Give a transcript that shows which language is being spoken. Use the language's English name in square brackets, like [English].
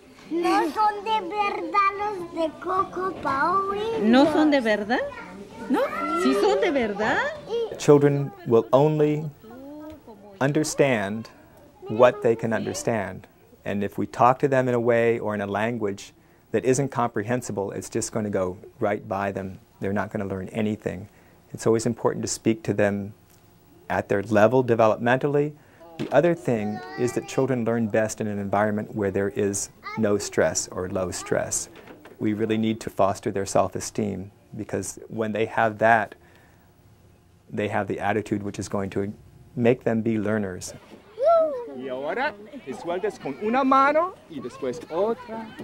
[Spanish] No son de verdad los de Coco Paoli. ¿No son de verdad? No, si son de verdad. [English] Children will only understand what they can understand. And if we talk to them in a way or in a language that isn't comprehensible, it's just going to go right by them. They're not going to learn anything. It's always important to speak to them at their level developmentally. The other thing is that children learn best in an environment where there is no stress or low stress. We really need to foster their self-esteem. Because when they have that, they have the attitude which is going to make them be learners. [Spanish] Y ahora te sueltes con una mano y después otra.